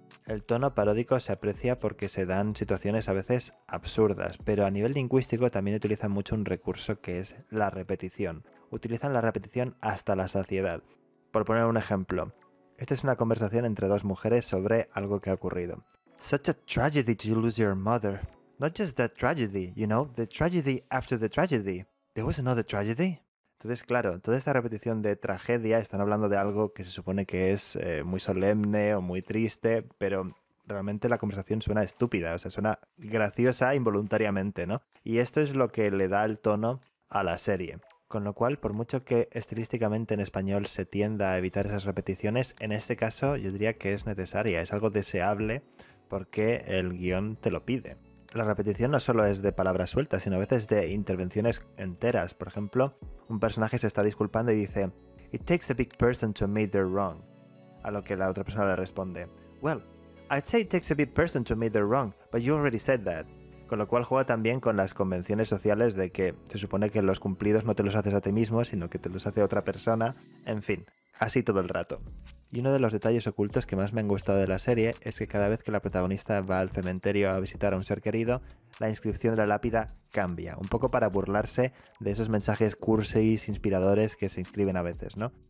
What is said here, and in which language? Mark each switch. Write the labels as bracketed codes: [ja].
[es] El tono paródico se aprecia porque se dan situaciones a veces absurdas, pero a nivel lingüístico también utilizan mucho un recurso que es la repetición. Utilizan la repetición hasta la saciedad. Por poner un ejemplo, esta es una conversación entre dos mujeres sobre algo que ha ocurrido. [en] Such a tragedy to lose your mother. Not just that tragedy, you know, the tragedy after the tragedy. There was another tragedy. [es] Entonces, claro, toda esta repetición de tragedia, están hablando de algo que se supone que es muy solemne o muy triste, pero realmente la conversación suena estúpida, o sea, suena graciosa involuntariamente, ¿no? Y esto es lo que le da el tono a la serie. Con lo cual, por mucho que estilísticamente en español se tienda a evitar esas repeticiones, en este caso yo diría que es necesaria, es algo deseable porque el guión te lo pide. La repetición no solo es de palabras sueltas, sino a veces de intervenciones enteras. Por ejemplo, un personaje se está disculpando y dice [en] "It takes a big person to admit they're wrong." [es] A lo que la otra persona le responde [en] "Well, I'd say it takes a big person to admit they're wrong, but you already said that." [es] Con lo cual juega también con las convenciones sociales de que se supone que los cumplidos no te los haces a ti mismo, sino que te los hace otra persona. En fin, así todo el rato. Y uno de los detalles ocultos que más me han gustado de la serie es que cada vez que la protagonista va al cementerio a visitar a un ser querido, la inscripción de la lápida cambia, un poco para burlarse de esos mensajes cursis inspiradores que se inscriben a veces, ¿no?